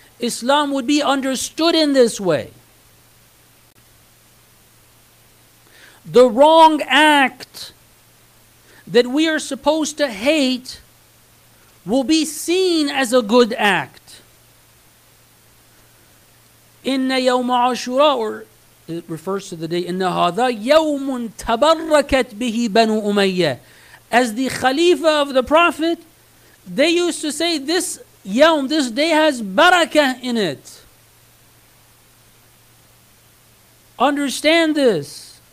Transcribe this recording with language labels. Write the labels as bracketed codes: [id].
[en] Islam would be understood in this way. The wrong act that we are supposed to hate will be seen as a good act. [ar] إِنَّ يَوْمَ عَشُرَى, [en] or it refers to the day, [ar] إِنَّ هَذَا يَوْمٌ تَبَرَّكَتْ بِهِ بَنُوا أُمَيَّةِ. [en] As the Khalifa of the Prophet, they used to say this yawm, this day has barakah in it. Understand this.